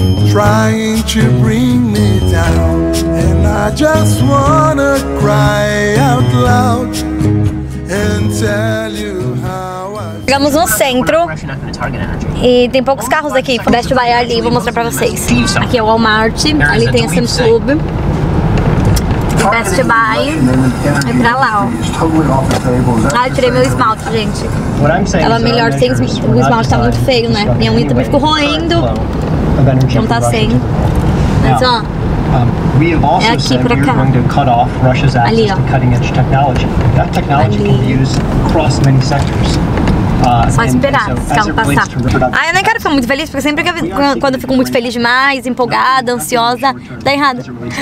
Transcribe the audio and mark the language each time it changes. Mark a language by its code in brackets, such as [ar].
[en] Trying to bring me down, and I just wanna cry out loud and tell you how I... [pt] Chegamos no centro e tem poucos carros aqui. Best Buy ali, vou mostrar pra vocês. Aqui é o Walmart, ali tem a Sam's Club. Tem Best Buy. É pra lá, ó. Ah, eu tirei meu esmalte, gente. Tava melhor sem o esmalte, tá muito feio, né? Minha unha também ficou roendo. Não tá sem. Mas ó, [en] We have also said we're going to cut off Russia's access to cutting-edge technology. That technology can be used across many sectors. [pt] Só esperar, calma passar. Ah, eu nem quero ficar muito feliz, porque sempre que eu, quando eu fico muito feliz demais, empolgada, ansiosa, dá errado.